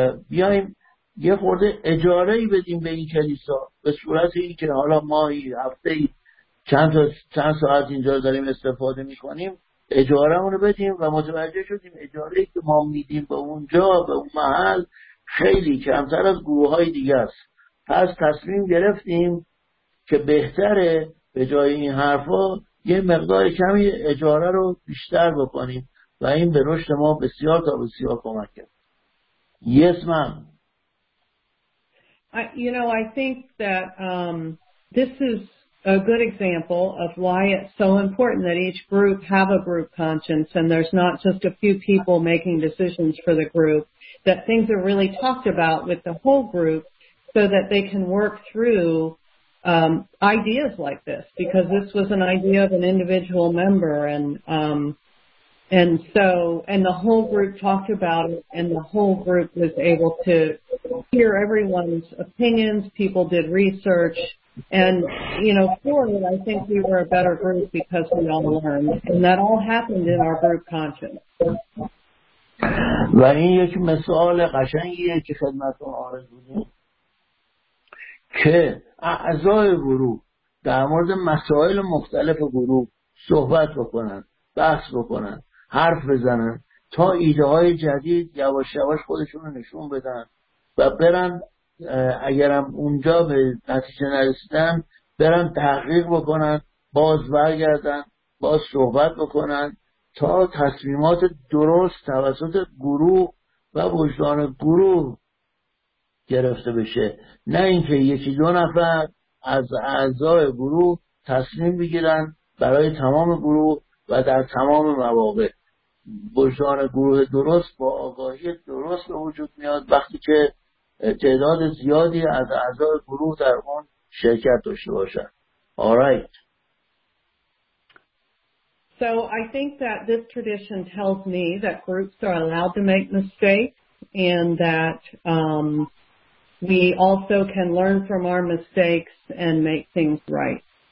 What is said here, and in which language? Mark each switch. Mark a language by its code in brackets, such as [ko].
[fa] بیاییم یه خورده اجاره‌ای بدیم به این کلیسا به صورت این که حالا ما این هفته چند ساعت اینجا داریم استفاده می‌کنیم، اجاره اونو بدیم و متوجه شدیم اجاره‌ای که ما میدیم به اونجا به اون محل خیلی کمتر از گروه های دیگه است. پس تصمیم گرفتیم که بهتره به جای این حرفا یه مقدار کمی اجاره رو بیشتر بکنیم و این به رشد ما بسیار تا بسیار کمک کرد. [en] Yes, ma'am. You know, I think that this is a good example of why it's so important that each group have a group conscience and there's not just a few people making decisions for the group, that things are really talked about with the whole group so that they can work through ideas like this, because this was an idea of an individual member and the whole group talked about it and the whole group was able to hear everyone's opinions. People did research and, you know, for it, I think we were a better group because we all learned, and that all happened in our group conscience. [fa] و این یک مثال قشنگیه که خدمتتون عرض بودیم که اعضای گروه در مورد مسائل مختلف گروه صحبت بکنن، بحث بکنن، حرف بزنن تا ایده های جدید یواش یواش خودشون رو نشون بدن و برن اگرم اونجا به نتیجه نرسیدن برن تحقیق بکنن، باز برگردن، باز صحبت بکنن تا تصمیمات درست توسط گروه و وجدان گروه گرفته بشه، نه اینکه یکی دو نفر از اعضای گروه تصمیم بگیرن برای تمام گروه و در تمام مواقع. وجدان گروه درست با آگاهی درست به وجود میاد وقتی که تعداد زیادی از اعضای گروه در اون شرکت داشته باشن. [en] Alright. So I think that this tradition tells me that groups are allowed to make mistakes and that we also can learn from our mistakes and make things right.